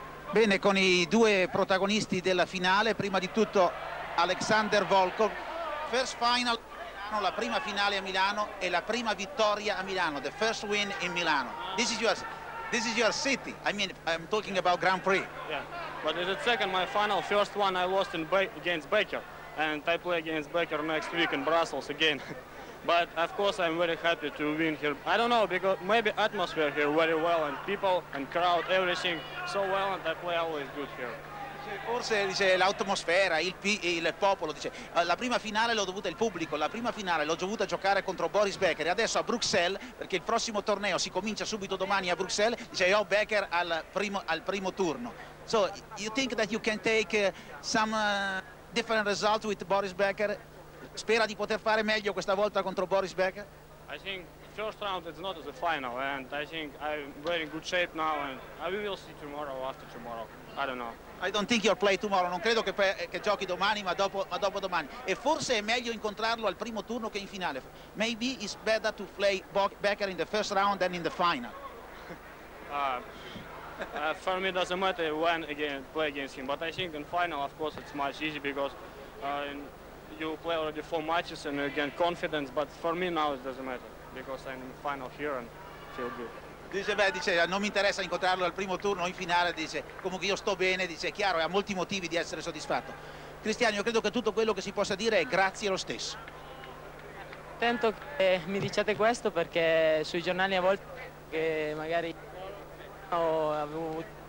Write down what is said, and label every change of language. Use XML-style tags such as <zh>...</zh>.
<it>Bene, con i due protagonisti della finale, prima di tutto Alexander Volkov,</it> <en>first final</en> <it>a Milano, la prima finale a Milano e la prima vittoria a Milano,</it> <en>the first win in Milano. This is your city. I mean, I'm talking about Grand Prix. Yeah. But in the second my final, first one I lost against Baker. And I play against Becker next week in Brussels again. But of course I'm very happy to win here. I don't know, because maybe atmosphere here very well, and people and crowd, everything so well, and I play always good here.</en> <it>Forse dice l'atmosfera, il popolo, dice la prima finale l'ho dovuta, il pubblico, la prima finale l'ho dovuta giocare contro Boris Becker, e adesso a Bruxelles, perché il prossimo torneo si comincia subito domani a Bruxelles, dice ho Becker al primo turno.</it> <en>So you think that you can take different result with Boris Becker?</en> <it>Spera di poter fare meglio questa volta contro Boris Becker?</it> <en>I think first round is not the final, and I think I'm very in good shape now, and we will see tomorrow or after tomorrow. I don't know. I don't think you'll play tomorrow.</en> <it>Non credo che giochi domani, ma dopo domani. E forse è meglio incontrarlo al primo turno che in finale.</it> <en>Maybe it's better to play Becker in the first round than in the final. For me, it doesn't matter when again play against him. But I think in final, of course, it's much easier because you play already four matches and you gain confidence. But for me now, it doesn't matter because I'm in the final here and feel good.</en> <it>Dice, beh, dice, non mi interessa incontrarlo al primo turno, in finale, dice, comunque io sto bene, dice, chiaro, e ha molti motivi di essere soddisfatto. Cristiano, io credo che tutto quello che si possa dire è grazie lo stesso. Tanto che mi diciate questo perché sui giornali a volte che magari avevo...</it>